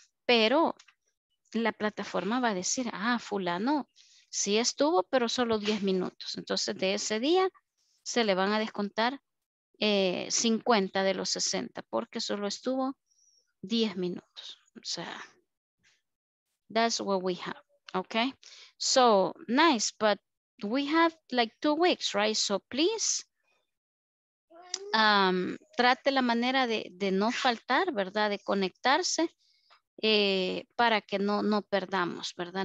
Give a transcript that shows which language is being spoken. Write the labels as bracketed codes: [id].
[es] Pero la plataforma va a decir, ah, fulano, sí estuvo, pero solo 10 minutos. Entonces de ese día se le van a descontar 50 de los 60 porque solo estuvo 10 minutos. O sea, [en] that's what we have. Okay, so nice, but we have like 2 weeks, right? So please [es] trate la manera de no faltar, ¿verdad? De conectarse para que no perdamos, ¿verdad?